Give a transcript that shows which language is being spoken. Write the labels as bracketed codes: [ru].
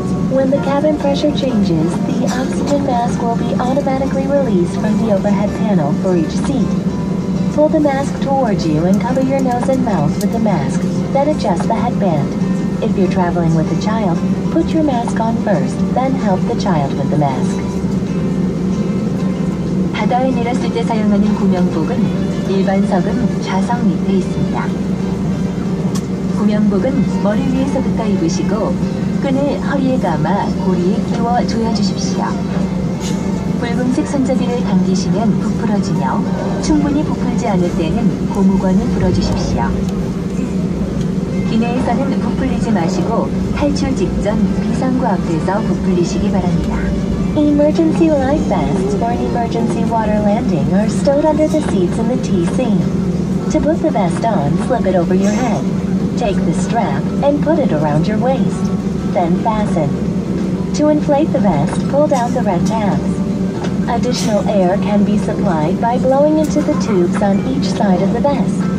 [en] When the cabin pressure changes, the oxygen mask will be automatically released from the overhead panel for each seat. Pull the mask towards you and cover your nose and mouth with the mask, then adjust the headband. If you're traveling with a child, put your mask on first, then help the child with the mask. [ko] 바다에 내렸을 때 사용하는 구명복은 일반석은 좌석 밑에 있습니다. 구명복은 머리 위에서부터 입으시고 끈을 허리에 감아 고리에 끼워 조여주십시오. 붉은색 손잡이를 당기시면 부풀어지며 충분히 부풀지 않을 때는 고무관을 불어주십시오. 기내에서는 부풀리지 마시고 탈출 직전 비상구 앞에서 부풀리시기 바랍니다. [en] Emergency life vests for an emergency water landing are stowed under the seats in the TC. To put the vest on, slip it over your head. Take the strap and put it around your waist. Then fasten. To inflate the vest, pull down the red tabs. Additional air can be supplied by blowing into the tubes on each side of the vest.